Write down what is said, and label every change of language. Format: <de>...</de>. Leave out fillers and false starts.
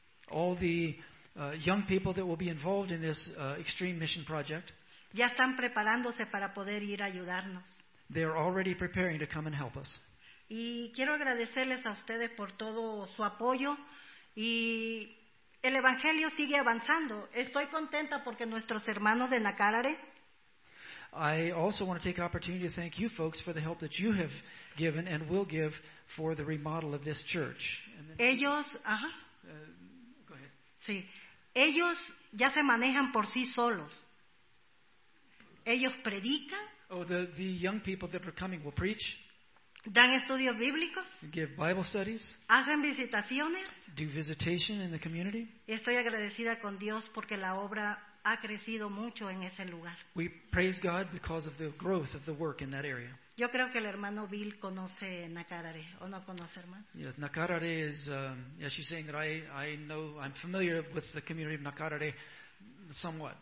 <en>All the young people that will be involved in this extreme mission project.</en> <es>Ya están preparándose para poder ir a ayudarnos.</es> <en>They are already preparing to come and help us.</en> <es>Y quiero agradecerles a ustedes por todo su apoyo. Y el evangelio sigue avanzando. Estoy contenta porque nuestros hermanos de Nacarare.</es> <en>I also want to take the opportunity to thank you folks for the help that you have given and will give for the remodel of this church.</en> <es>Ellos,</es> <en>go ahead.</en> <es>Sí. Ellos ya se manejan por sí solos. Ellos predican.</es> <en>Oh, the young people that are coming will preach.</en> <es>Dan estudios bíblicos.</es> <en>Give Bible studies.</en> <es>Hacen visitaciones.</es> <en>Do visitation in the community.</en> <es>Estoy agradecida con Dios porque la obra ha crecido mucho en ese lugar.</es> <en>We praise God because of the growth of the work in that area.</en> <es>Yo creo que el hermano Bill conoce Nacarare, ¿o no conoce, hermano?</es> <en>Yes, Nacarare is, as she's saying, that I know, I'm familiar with the community of Nacarare somewhat.</en>